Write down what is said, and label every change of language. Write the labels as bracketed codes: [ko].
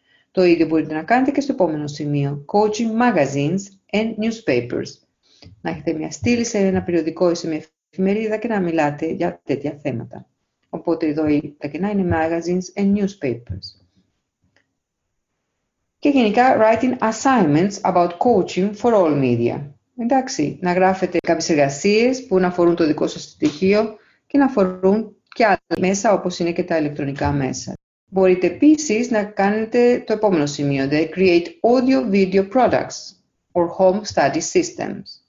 [el] Το ίδιο μπορείτε να κάνετε και στο επόμενο σημείο. Coaching magazines and newspapers. Να έχετε μια στήλη σε ένα περιοδικό ή σε μια εφημερίδα και να μιλάτε για τέτοια θέματα. Οπότε εδώ τα κενά είναι magazines and newspapers. [en] Και γενικά, writing assignments about coaching for all media. [el] Εντάξει, να γράφετε κάποιες εργασίες που να αφορούν το δικό σας στοιχείο και να αφορούν και άλλα μέσα όπως είναι και τα ηλεκτρονικά μέσα. Μπορείτε επίσης να κάνετε το επόμενο σημείο, the create audio-video products or home study systems.